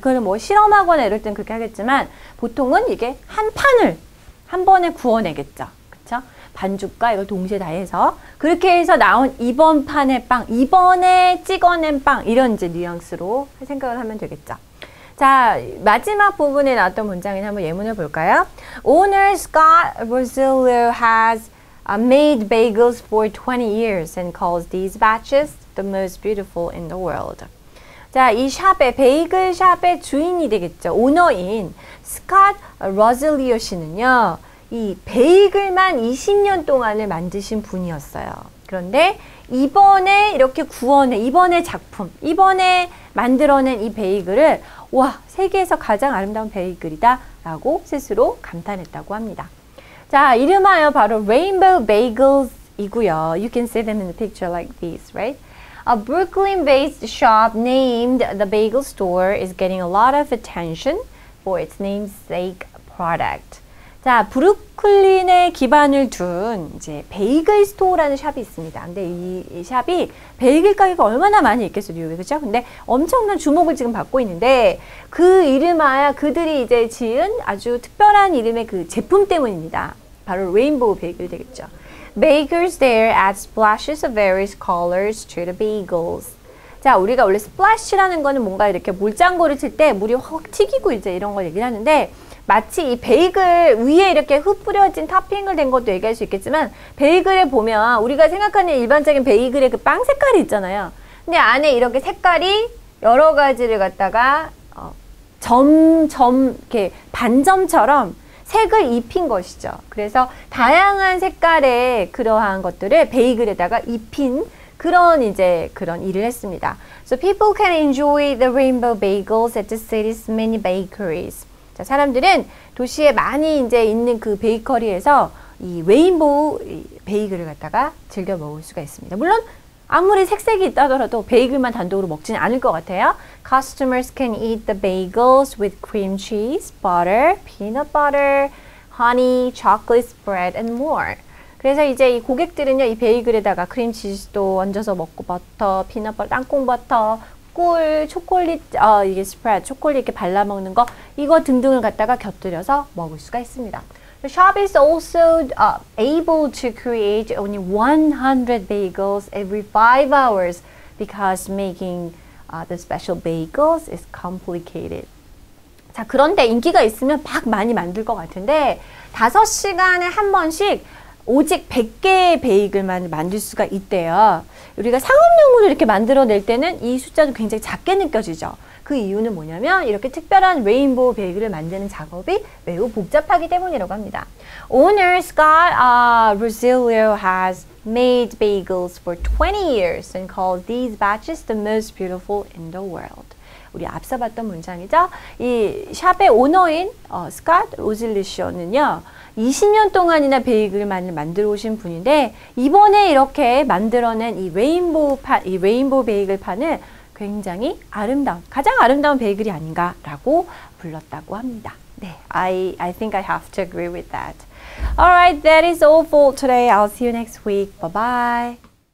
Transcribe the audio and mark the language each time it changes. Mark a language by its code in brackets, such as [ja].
[ko] 그건 뭐 실험하거나 이럴 땐 그렇게 하겠지만 보통은 이게 한 판을 한 번에 구워내겠죠. 그쵸? 반죽과 이걸 동시에 다 해서 그렇게 해서 나온 이번 판의 빵, 이번에 찍어낸 빵 이런 이제 뉘앙스로 생각을 하면 되겠죠. 자, 마지막 부분에 나왔던 문장이나 한번 예문을 볼까요? [en] Owner Scott Rosillo has made bagels for 20 years and calls these batches the most beautiful in the world. [ko] 자, 이 샵의, 베이글 샵의 주인이 되겠죠. 오너인 Scott Rosillo 씨는요, 이 베이글만 20년 동안을 만드신 분이었어요. 그런데 이번에 이렇게 구워낸, 이번에 작품, 이번에 만들어낸 이 베이글을 와, 세계에서 가장 아름다운 베이글이다 라고 스스로 감탄했다고 합니다. 자, 이름하여 바로 Rainbow Bagels 이고요. [en] You can see them in the picture like this, right? A Brooklyn-based shop named The Bagel Store is getting a lot of attention for its namesake product. [ko] 자, 브루클린에 기반을 둔 이제 베이글 스토어라는 샵이 있습니다. 근데 이 샵이 베이글 가게가 얼마나 많이 있겠어, 뉴욕에. 그쵸? 근데 엄청난 주목을 지금 받고 있는데 그 이름하여 그들이 이제 지은 아주 특별한 이름의 그 제품 때문입니다. 바로 레인보우 베이글 되겠죠. [en] Bakers there add splashes of various colors to the bagels. [ko] 자, 우리가 원래 splash라는 거는 뭔가 이렇게 물장구를 칠 때 물이 확 튀기고 이제 이런 걸 얘기를 하는데 마치 이 베이글 위에 이렇게 흩뿌려진 토핑을 된 것도 얘기할 수 있겠지만 베이글을 보면 우리가 생각하는 일반적인 베이글의 그 빵 색깔이 있잖아요. 근데 안에 이렇게 색깔이 여러 가지를 갖다가 이렇게 반점처럼 색을 입힌 것이죠. 그래서 다양한 색깔의 그러한 것들을 베이글에다가 입힌 그런 이제 그런 일을 했습니다. [en] So people can enjoy the rainbow bagels at the city's many bakeries. [ko] 자, 사람들은 도시에 많이 이제 있는 그 베이커리에서 이 레인보우 베이글을 갖다가 즐겨 먹을 수가 있습니다. 물론 아무리 색색이 있다더라도 베이글만 단독으로 먹지는 않을 것 같아요. [en] Customers can eat the bagels with cream cheese, butter, peanut butter, honey, chocolate spread and more. [ko] 그래서 이제 이 고객들은요, 이 베이글에다가 크림 치즈도 얹어서 먹고 버터, 피넛 버터, 땅콩 버터, 꿀, 초콜릿, 이게 스프레드, 초콜릿 이렇게 발라먹는 거, 이거 등등을 갖다가 곁들여서 먹을 수가 있습니다. [en] The shop is also able to create only 100 bagels every 5 hours because making the special bagels is complicated. [ko] 자, 그런데 인기가 있으면 막 많이 만들 것 같은데 5시간에 한 번씩 오직 100개의 베이글만 만들 수가 있대요. 우리가 상업용으로 이렇게 만들어낼 때는 이 숫자도 굉장히 작게 느껴지죠. 그 이유는 뭐냐면 이렇게 특별한 레인보우 베이글을 만드는 작업이 매우 복잡하기 때문이라고 합니다. [en] Owner Scott Rosillo has made bagels for 20 years and called these batches the most beautiful in the world. [ko] 우리 앞서 봤던 문장이죠. 이 샵의 오너인 스콧 로질리쇼는요. 20년 동안이나 베이글만을 만들어 오신 분인데 이번에 이렇게 만들어낸 이 레인보우 판, 이 레인보우 베이글 판을 굉장히 아름다운, 가장 아름다운 베이글이 아닌가라고 불렀다고 합니다. [en] 네, I think I have to agree with that. Alright, that is all for today. I'll see you next week. Bye-bye.